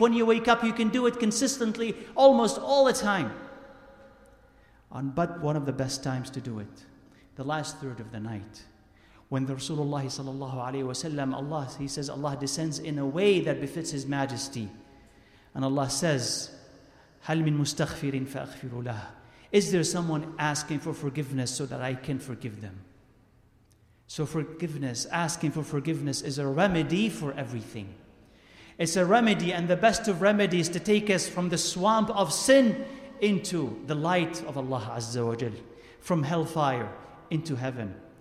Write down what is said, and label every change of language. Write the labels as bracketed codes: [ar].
[en] When you wake up, you can do it consistently, almost all the time. And but one of the best times to do it, the last third of the night, when the Rasulullah sallallahu alayhi wa sallam, Allah, he says, Allah descends in a way that befits His Majesty. And Allah says, [ar] هَلْ مِن مُسْتَغْفِرٍ فَأَغْفِرُ لَهُ. [en] Is there someone asking for forgiveness so that I can forgive them? So forgiveness, asking for forgiveness, is a remedy for everything. It's a remedy, and the best of remedies to take us from the swamp of sin into the light of Allah Azza wa Jal, from hellfire into heaven.